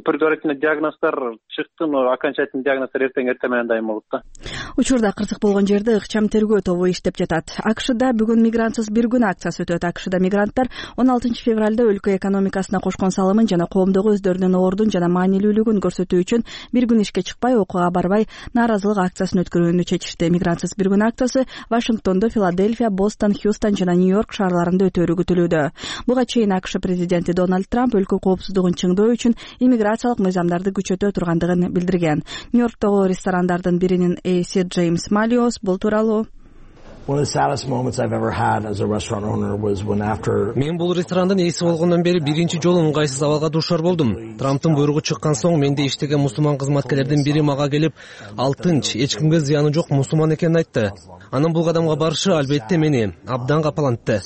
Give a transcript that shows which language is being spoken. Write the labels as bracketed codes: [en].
[ru] Предварительный [ky] диагноздор чыкты, [ru] но окончательный [ky] диагноздор эртең менен дайым болот да. Учурда кырсык болгон жерде ыкчам тергөө тобу иштеп жатат. АКШда бүгүн мигрантсыз бир күн акциясы өтөт. АКШда мигранттар 16-февралда өлкө экономикасына кошкон салымын жана коомдогу өздөрүнүн ордун жана маанилүүлүгүн көрсөтүү үчүн бир күн ишке чыкпай, окууга барбай нааразылык акциясын өткөрүүнү чечишти. Мигрантсыз бир күн акциясы Вашингтондо, Филадельфия, Бостон, Хьюстон жана Нью-Йорк шаарларында өтөөрү күтүлүүдө. Буга чейин АКШ президенти Дональд Трамп өлкө коопсуздугун чыңдоо үчүн иммиграциялык мыйзамдарды күчөтө тургандыгын билдирген. Нью-Йорктогу ресторандардын биринин ээси Джеймс Малиос бул тууралуу: [en] One of the saddest moments I've ever had as a restaurant owner was when after [ky] Мен бул ресторандын ээси болгондон бери биринчи жолу ыңгайсыз абалга дуушар болдум. Трамптын буйругу чыккан соң менде иштеген мусулман кызматкерлердин бири мага келип, "Ал тынч, эч кимге зыяны жок мусулман экенин айтты. Анын бул кадамга барышы албетте мени абдан капалантты."